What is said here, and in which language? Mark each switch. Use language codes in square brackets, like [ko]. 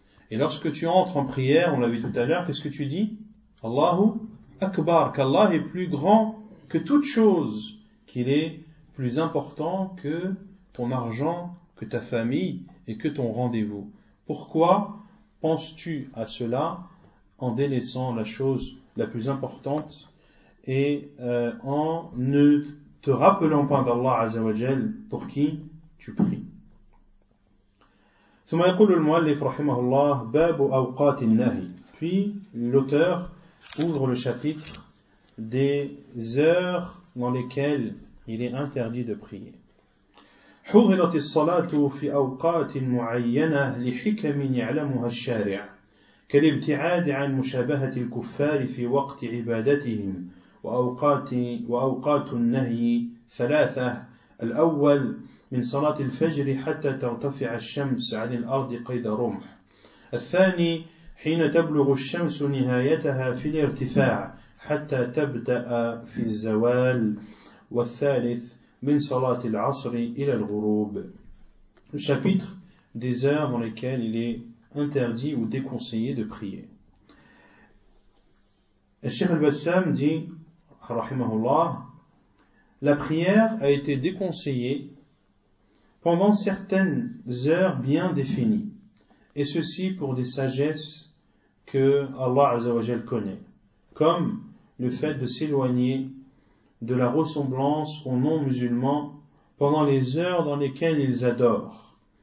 [fr] Et lorsque tu entres en prière, on l'a vu tout à l'heure, qu'est-ce que tu dis? Allahu Akbar, qu'Allah est plus grand que toute chose, qu'il est plus important que ton argent, que ta famille et que ton rendez-vous. Pourquoi penses-tu à cela en délaissant la chose la plus importante et en ne te rappelant pas d'Allah Azza wa Jal pour qui tu pries? [ar] ثم يقول المؤلف رحمه الله باب أوقات النهي. [fr] Puis l'auteur ouvre le chapitre des heures dans lesquelles il est interdit de prier. [ar] حظرت الصلاة في أوقات معينة لحكم يعلمها الشارع كالابتعاد عن مشابهة الكفار في وقت عبادتهم وأوقات النهي ثلاثة: الأول من صلاة الفجر حتى ترتفع الشمس عن الأرض قيد رمح، الثاني حين تبلغ الشمس نهايتها في الارتفاع حتى تبدأ في الزوال، والثالث من صلاة العصر إلى الغروب. [fr] Le chapitre des heures dans lesquelles il est interdit ou déconseillé de prier. Cheikh Al-Bassam dit, rahimahullah, la prière a été déconseillée pendant certaines heures bien définies, et ceci pour des sagesses que Allah Azza wa Jal connaît, comme le fait de s'éloigner de la ressemblance aux non-musulmans pendant les heures dans lesquelles ils adorent.